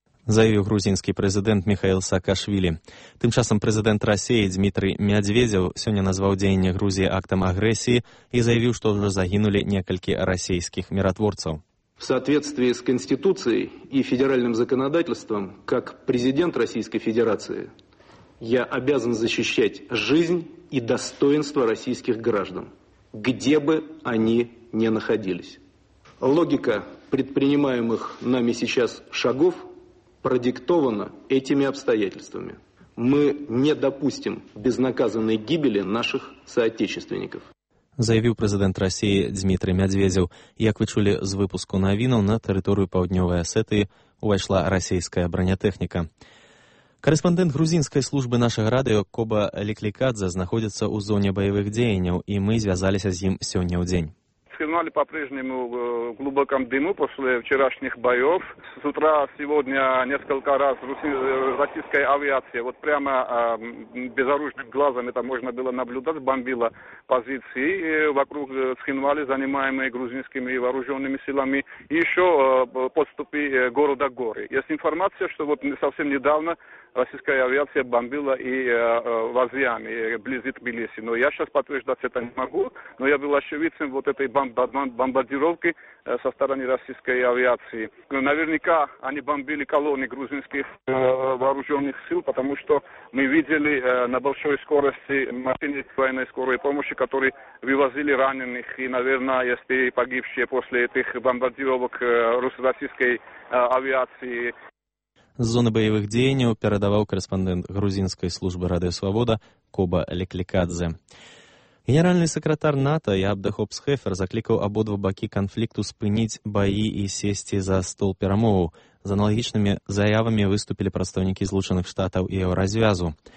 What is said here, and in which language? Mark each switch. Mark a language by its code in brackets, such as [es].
[be] Заявіў грузінскі прэзідэнт Міхаэл Саакашвілі. Тым часам прэзідэнт Расіі Дмітрый Мядзведзеў сёння назваў дзеянне Грузіі актам агрэсіі і заявіў, што ўжо загінулі некалькі расійскіх міратворцаў. [ru] В соответствии с Конституцией и федеральным законодательством, как президент Российской Федерации, я обязан защищать жизнь и достоинство российских граждан, где бы они ни находились. Логика предпринимаемых нами сейчас шагов продиктована этими обстоятельствами. Мы не допустим безнаказанной гибели наших соотечественников. [be] Заявіў прэзідэнт Расіі Дмітрый Мядзведзеў. Як вы чулі з выпуску навінаў, на тэрыторыю паўднёвай Асетыі ўвайшла расійская бранятэхніка. Карэспандэнт грузінскай службы нашага радыё Коба Ліклікадзе знаходзіцца ў зоне баявых дзеянняў, і мы звязаліся з ім сёння ў дзень. [ru] Сигнали по-прежнему в глубоком дыму после вчерашних боев. С утра сегодня несколько раз российская авиация, вот прямо безоружным глазом это можно было наблюдать, бомбила позиции вокруг Схинвали, занимаемые грузинскими вооруженными силами, и еще подступи города Горы. Есть информация, что вот совсем недавно российская авиация бомбила и в Азиане, близит Тбилиси. Но я сейчас подтверждать это не могу, но я был очевидцем вот этой бомбардировки со стороны российской авиации. Наверняка они бомбили колонны грузинских вооруженных сил, потому что мы видели на большой скорости машины военной скорой помощи, которые вывозили раненых, и, наверное, есть и погибшие после этих бомбардировок российской авиации. [be] З зоны баявых дзеянняў перадаваў корэспондэнт грузінскай службы Радыё Свабода Коба Ліклікадзе. Генеральны сакратар НАТО Ябда Хопсхефер заклікаў абодва бакі канфлікту спыніць баі і сесці за стол перамоваў. З аналагічнымі заявамі выступілі прадстаўнікі Злучаных Штатаў і Еўразвязу.